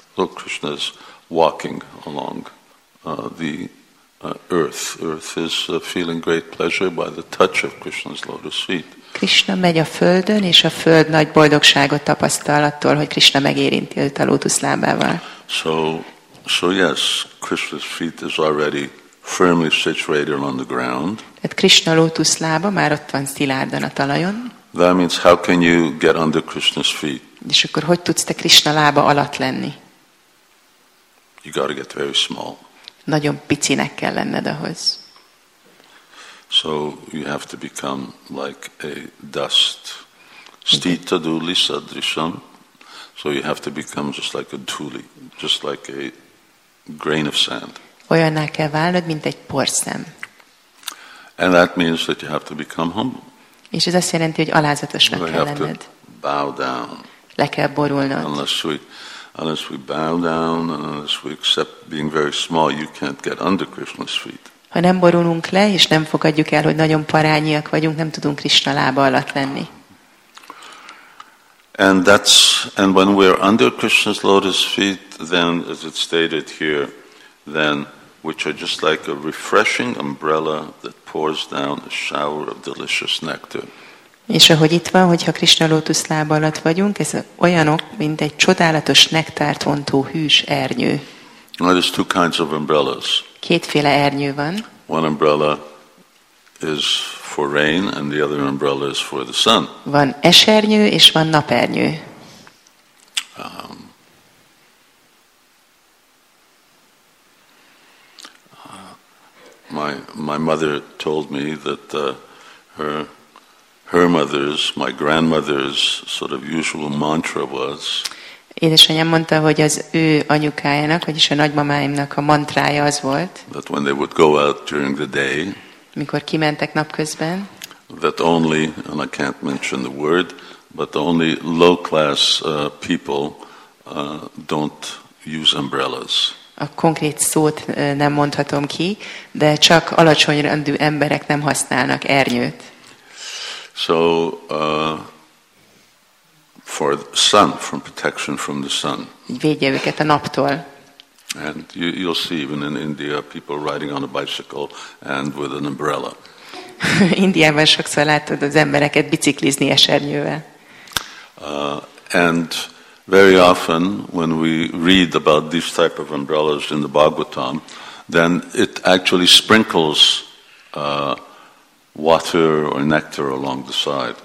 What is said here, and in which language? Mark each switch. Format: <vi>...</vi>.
<en>So Krishna is walking along the earth. Earth is feeling great pleasure by the touch of Krishna's lotus feet.</en> <hu>Krishna megy a földön, és a föld nagy boldogságot tapasztal attól, hogy Krishna megérinti őt a lótusz lábával.</hu> <en>So yes, Krishna's feet is already firmly situated on the ground.</en> <hu>Tehát Krishna lótusz lába már ott van szilárdan a talajon.</hu> <en>That means how can you get under Krishna's feet?</en> <hu>És akkor hogy tudsz te Krishna lába alatt lenni?</hu> <en>You gotta get very small.</en> <hu>Nagyon picinek kell lenned ahhoz.</hu> <en>So you have to become like a dust.</en> <sa>Stita duli sadrisham.</sa> <en>So you have to become just like a duli, just like a grain of sand.</en> <hu>Olyanná kell válnod, mint egy porszem.</hu> <en>And that means that you have to become humble.</en> <hu>És ez azt jelenti, hogy alázatosnak kell lenned.</hu> <en>You have to bow down.</en> <hu>Le kell borulnod.</hu> <en>Unless we bow down and unless we accept being very small, you can't get under Krishna's feet.</en> <hu>Ha nem borulunk le, és nem fogadjuk el, hogy nagyon parányiak vagyunk, nem tudunk Krishna lába alatt lenni.</hu> <en>And when we're under Krishna's lotus feet, then as it's stated here, then which are just like a refreshing umbrella that pours down a shower of delicious nectar.</en> <hu>És ahogy itt van, hogyha Krishna lótusz lába alatt vagyunk, ez olyanok, mint egy csodálatos nektárt vontó hűs ernyő.</hu> <en>Now there's two kinds of umbrellas.</en> <hu>Kétféle ernyő van.</hu> <en>One umbrella is for rain, and the other umbrella is for the sun.</en> <hu>Van esernyő, és van napernyő.</hu> <en>My mother told me that her mother's, my grandmother's sort of usual mantra was.</en> <hu>Édesanyám mondta, hogy az ő anyukájának, vagyis a nagymamáimnak a mantrája az volt.</hu> <en>That when they would go out during the day.</en> <hu>Mikor kimentek napközben.</hu> <en>That only, and I can't mention the word, but only low-class people don't use umbrellas.</en> <hu>A konkrét szót nem mondhatom ki, de csak alacsony rendű emberek nem használnak ernyőt.</hu> <en>So for the sun, from protection from the sun.</en> <hu>Védje őket a naptól.</hu> <en>And you'll see even in India people riding on a bicycle and with an umbrella.</en> <hu>Indiában sokszor látod az embereket biciklizni esernyővel.</hu> <en>And very often when we read about these type of umbrellas in the Bhagavatam, then it actually sprinkles water or nectar along the side.</en>